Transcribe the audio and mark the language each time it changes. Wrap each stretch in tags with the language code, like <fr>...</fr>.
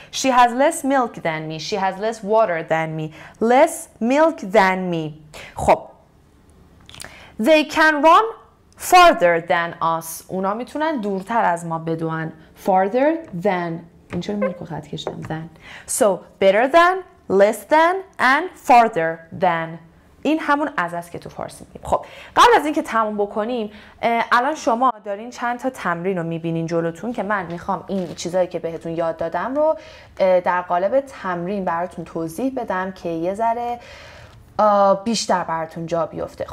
<en>She has less milk than me. She has less water than me. Less milk than me. خب. They can run farther than us.</en> <fa>اونا میتونن دورتر از ما بدوئن.</fa> <en>Farther than.</en> <fa>این چرا میگه خط کشیدم than.</fa> <en>So better than, less than and farther than.</en> <fa>این همون از است که تو فارسی میگیم. خب قبل از اینکه تموم بکنیم، الان شما دارین چند تا تمرین رو میبینین جلوتون که من میخوام این چیزایی که بهتون یاد دادم رو در قالب تمرین براتون توضیح بدم که یه ذره بیشتر براتون جا بیفته.</fa>